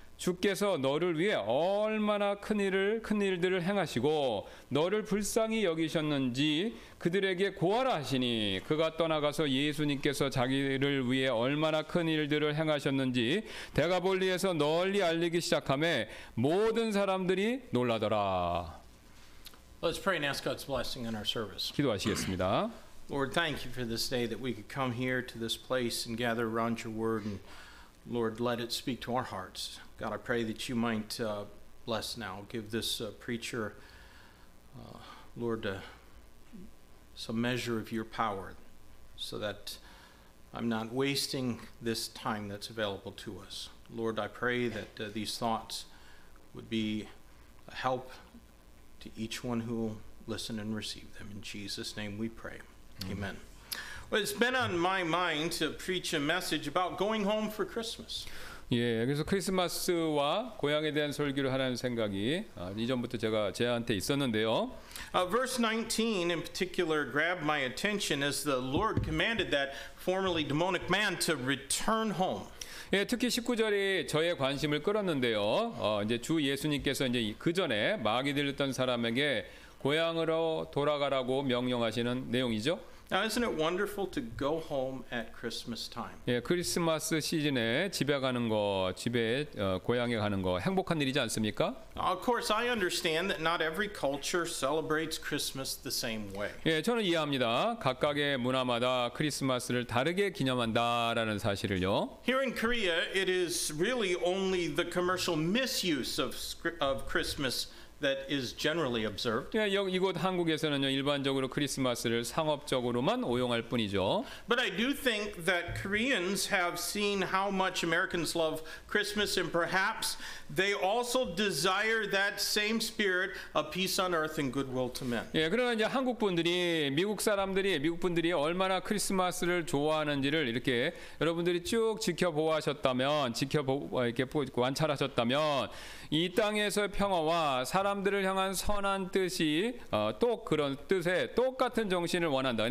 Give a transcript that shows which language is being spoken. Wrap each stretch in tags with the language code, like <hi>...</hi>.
<ko>주께서 너를 위해 얼마나 큰 일들을 행하시고 너를 불쌍히 여기셨는지 그들에게 고하라 하시니 그가 떠나가서 예수님께서 자기를 위해 얼마나 큰 일들을 행하셨는지 데가볼리에서 널리 알리기 시작하매 모든 사람들이 놀라더라.</ko> <en>Let's pray and ask God's blessing in our service.</en> <ko>기도하시겠습니다.</ko> <en>Lord, thank you for this day that we could come here to this place and gather around your word. And Lord, let it speak to our hearts. God, I pray that you might bless now. Give this preacher, Lord, some measure of your power so that I'm not wasting this time that's available to us. Lord, I pray that these thoughts would be a help to each one who listen and receive them. In Jesus' name we pray. Amen. Amen. Well, it's been on my mind to preach a message about going home for Christmas.</en> <ko>예, 그래서 크리스마스와 고향에 대한 설교를 하라는 생각이 이전부터 제가 제한테 있었는데요.</ko> <en>Verse 19 in particular grabbed my attention as the Lord commanded that formerly demonic man to return home.</en> <ko>예, 특히 19절이 저의 관심을 끌었는데요. 이제 주 예수님께서 이제 그 전에 마귀 들렸던 사람에게 고향으로 돌아가라고 명령하시는 내용이죠.</ko> <en>Now, isn't it wonderful to go home at Christmas time?</en> <ko>예, 크리스마스 시즌에 집에 가는 거, 집에 고향에 가는 거 행복한 일이지 않습니까?</ko> <en>Of course, I understand that not every culture celebrates Christmas the same way.</en> <ko>예, 저는 이해합니다. 각각의 문화마다 크리스마스를 다르게 기념한다라는 사실을요.</ko> <en>Here in Korea, it is really only the commercial misuse of Christmas that is generally observed.</en> <ko>예, 여기 이곳 한국에서는요 일반적으로 크리스마스를 상업적으로만 오용할 뿐이죠.</ko> <en>But I do think that Koreans have seen how much Americans love Christmas, and perhaps they also desire that same spirit of peace on earth and goodwill to men.</en> <ko>예, 그러나 이제 한국 분들이 미국 사람들이 미국 분들이 얼마나 크리스마스를 좋아하는지를 이렇게 여러분들이 쭉 지켜보았었다면 이렇게 관찰하셨다면 이 땅에서의 평화와 사람들을 향한 선한 뜻이 또 그런 뜻에 똑같은 정신을 원한다.</ko>